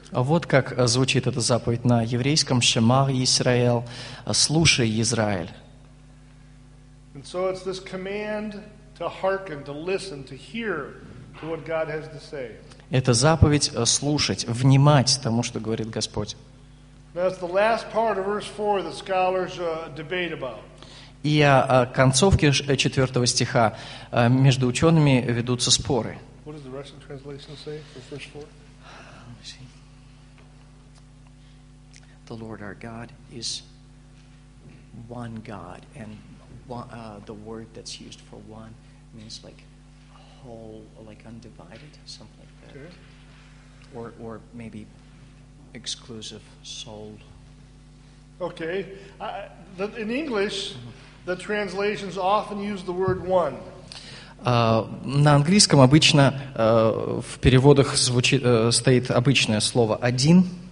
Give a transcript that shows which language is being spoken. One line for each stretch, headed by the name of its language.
Russian: А вот как звучит эта заповедь на еврейском.
Hebrew: Shema Yisrael,
Russian: слушай, Израиль.
English: And so it's this command to hearken, to listen, to hear to what God has to say.
Russian: Это заповедь слушать, внимать тому, что говорит Господь.
English: That's the last part of verse 4 the scholars debate about.
Russian: И о концовке 4 стиха между учеными ведутся споры.
English: What does the Russian translation say for verse 4? The Lord our God is one God, and one, the word that's used for one means like whole, like undivided, something like that, okay. or maybe exclusive, sold. Okay. In English, the translations often use the word one.
Russian: На английском обычно в переводах звучит стоит обычное слово один.